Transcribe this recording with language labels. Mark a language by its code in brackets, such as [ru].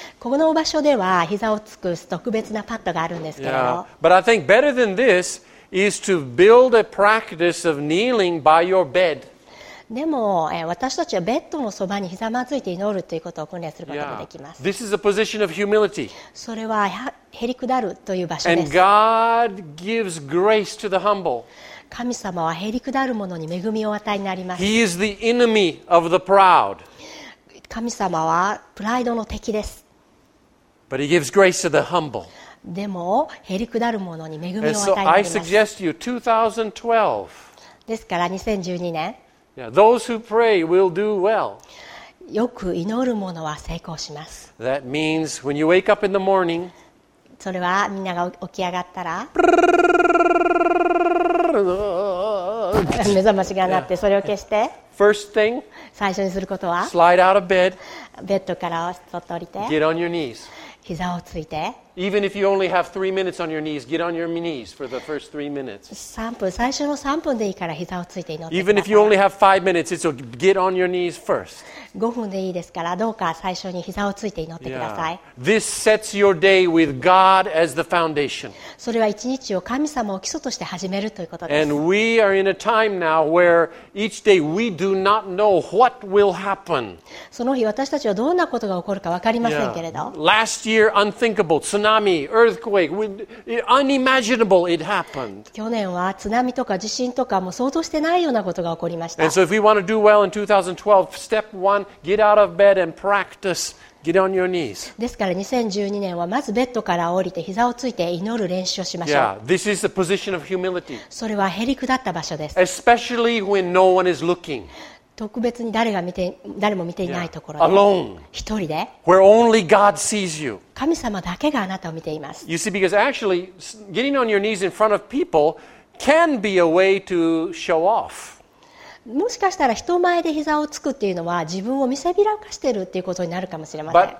[ja] この場所では膝をつく特別なパッドがあるんですけれど。 [en] Yeah. But I think better than this is to build a practice of kneeling by your bed. [ja] でも、私たちはベッドのそばにひざまずいて祈るということを訓練することができます。 [en] Yeah. This is a position of humility. [ja] それはへりくだるという場所です。 [en] And God gives grace to the humble. [ja] 神様はへりくだる者に恵みをお与えになります。 [en] He is the enemy of the proud. [ja] 神様はプライドの敵です。 [en] But he gives grace to the humble. [ja] でもへりくだる者に恵みをお与えになります。 [en] And so I suggest you 2012. [ja] ですから2012年。 [en] Yeah, those who pray will do well. [ja] よく祈る者は成功します。 [en] That means when you wake up in the morning. [ja] それはみんなが起き上がったら。目覚ましが鳴ってそれを消して [en] First thing, [ja] 最初にすることは [en] slide out of bed, [ja] ベッドからそっと降りて [en] get on your knees. [ja] 膝をついて [en] Even if you only have 3 minutes on your knees, get on your knees for the first 3 minutes. [ja] 3分最初の3分でいいから膝をついて祈ってください。 [en] Even if you only have 5 minutes, it's a get on your knees first. [ja] 5分でいいですからどうか最初に膝をついて祈ってください。 [en] Yeah. This sets your day with God as the foundation. [ja] それは一日を神様を基礎として始めるということです。 [en] And we are in a time now where each day we do not know what will happen. [ja] その日私たちはどんなことが起こるか分かりませんけれど。 [en] Yeah. Last year, unthinkable. Tsunami, earthquake, unimaginable it happened. [ja] 去年は津波とか地震とかも想像してないようなことが起こりました。 [en] And so if we want to do well in 2012, step one, get out of bed and practice. Get on your knees. [ja] ですから2012年はまずベッドから降りて膝をついて祈る練習をしましょう。 [en] Yeah, this is the position of humility. [ja] それはへりくだった場所です。 [en] Especially when no one is looking. [ja] 特別に誰も見ていないところで、 [en] yeah. Alone, [ja] 一人で [en] where only God sees you. [ja] 神様だけがあなたを見ています。 [en] You see, because actually getting on your knees in front of people can be a way to show off. [ja] もしかしたら人前で膝をつくっていうのは自分を見せびらかしているっていうことになるかもしれません。